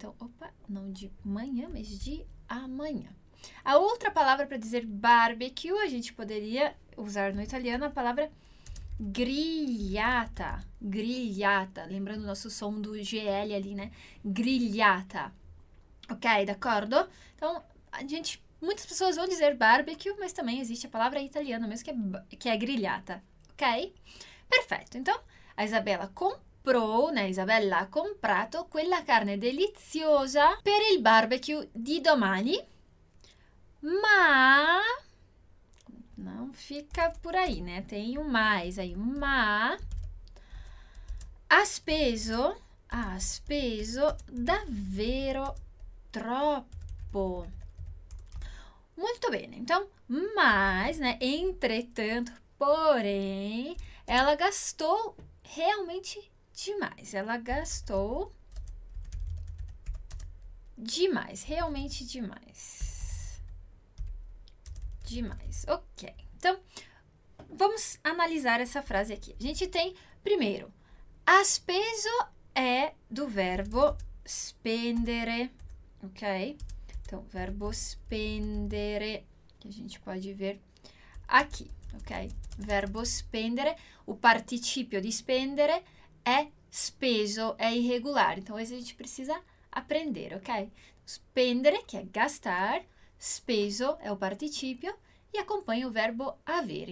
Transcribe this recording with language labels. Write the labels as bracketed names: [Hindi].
[Portuguese] Então, opa, não de manhã, mas de amanhã. A outra palavra para dizer barbecue, a gente poderia usar no italiano a palavra grigliata. Grigliata, lembrando o nosso som do GL ali, né? Grigliata. Ok, d'accordo? Então, muitas pessoas vão dizer barbecue, mas também existe a palavra italiana mesmo que é grigliata. Ok? Perfeito. Então, a Isabella comprou, né? [Italian] Isabella ha comprato quella carne deliziosa per il barbecue di domani, ma [Portuguese] Não fica por aí, né? Tem o mais aí. [Italian] Ma ha speso davvero troppo. Molto bene. [Portuguese] Então, mas, né? Entretanto, porém, ela gastou realmente demais. Ela gastou demais, realmente demais. Demais. Ok. Então, vamos analisar essa frase aqui. A gente tem primeiro: ha speso é do verbo spendere. Ok? Então, verbo spendere, che a gente pode ver aqui, ok? [Italian] Verbo spendere, o participio di spendere è speso, è irregolare. [Portuguese] Então, esse a gente precisa aprender, ok? [Italian] Spendere, che è gastar, speso è o participio e accompagna o verbo avere.